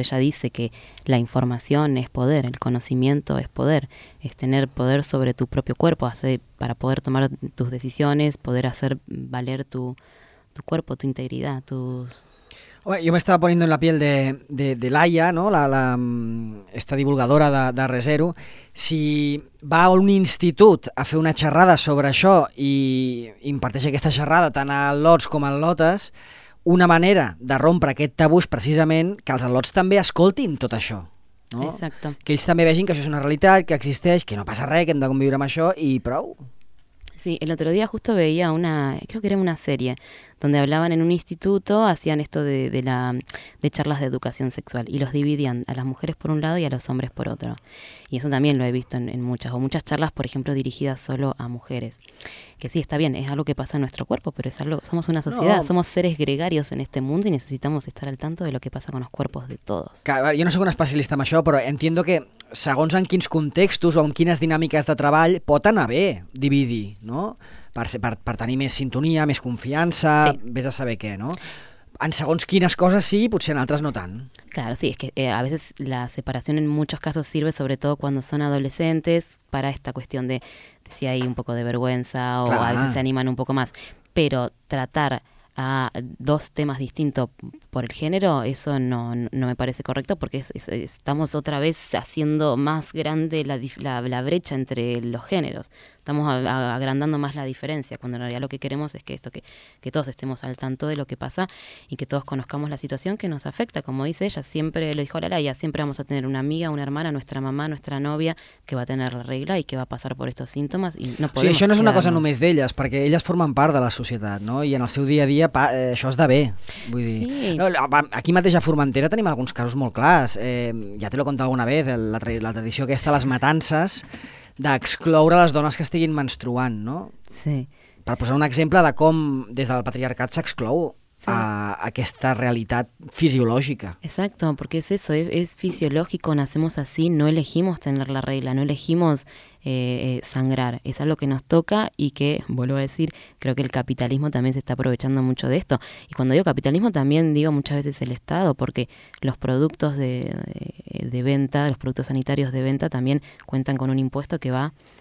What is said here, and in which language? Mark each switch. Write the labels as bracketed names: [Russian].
[Spanish] Ella dice que la información es poder, el conocimiento es poder, es tener poder sobre tu propio cuerpo, para poder tomar tus decisiones, poder hacer valer tu cuerpo, tu integridad, tus... Yo me estaba poniendo en la piel de Laia, ¿no? Esta divulgadora de Resero. [Catalan] Si va a un institut a fer una xerrada sobre això i imparteix aquesta xerrada tant a lots com a lotes, una manera de rompre aquest tabú és precisament que els lots també escoltin tot això, no? Exacte. Que ells també vegin que això és una realitat, que existeix, que no passa res, que hem de conviure amb això i prou. [Spanish] Sí, el otro día justo veía creo que era una serie, donde hablaban en un instituto, hacían esto de charlas de educación sexual, y los dividían a las mujeres por un lado y a los hombres por otro. Y eso también lo he visto en muchas charlas, por ejemplo, dirigidas solo a mujeres. Que sí, está bien, es algo que pasa en nuestro cuerpo, pero es algo, somos una sociedad, no, somos seres gregarios en este mundo y necesitamos estar al tanto de lo que pasa con los cuerpos de todos. Claro, yo no soy un especialista en eso, pero entiendo que [Catalan] segons en quins contextos o en quines dinàmiques de treball pot anar bé dividir, no? Per tenir més sintonia, més confiança, sí. Vés a saber què, no? En segons quines coses sí, potser en altres no tant. [Spanish] Claro, sí, es que a veces la separación en muchos casos sirve, sobre todo cuando son adolescentes, para esta cuestión de si hay un poco de vergüenza o claro. A veces se animan un poco más. Pero tratar a dos temas distintos por el género, eso no me parece correcto, porque estamos otra vez haciendo más grande la brecha entre los géneros, estamos agrandando más la diferencia, cuando en realidad lo que queremos es que todos estemos al tanto de lo que pasa y que todos conozcamos la situación que nos afecta. Como dice ella, siempre lo dijo Laia, siempre vamos a tener una amiga, una hermana, nuestra mamá, nuestra novia, que va a tener la regla y que va a pasar por estos síntomas y no podemos. Sí, eso no es una cosa només de ellas, porque ellas forman parte de la sociedad, ¿no? [Catalan] Y en el seu día a día això es de bé, vull dir. Sí. No, aquí mateix a Formentera tenim alguns casos molt clars, ja te l'he contat alguna vegada, la tradició aquesta, les matances, d'excloure les dones que estiguin menstruant, no? Sí. Per posar un exemple de com des del patriarcat s'exclou. a aquesta realitat fisiològica. [Spanish] Exacto, porque es eso, es fisiológico, nacemos así, no elegimos tener la regla, no elegimos sangrar, es algo que nos toca y que, vuelvo a decir, creo que el capitalismo también se está aprovechando mucho de esto. Y cuando digo capitalismo también digo muchas veces el Estado, porque los productos de venta, los productos sanitarios de venta también cuentan con un impuesto que va...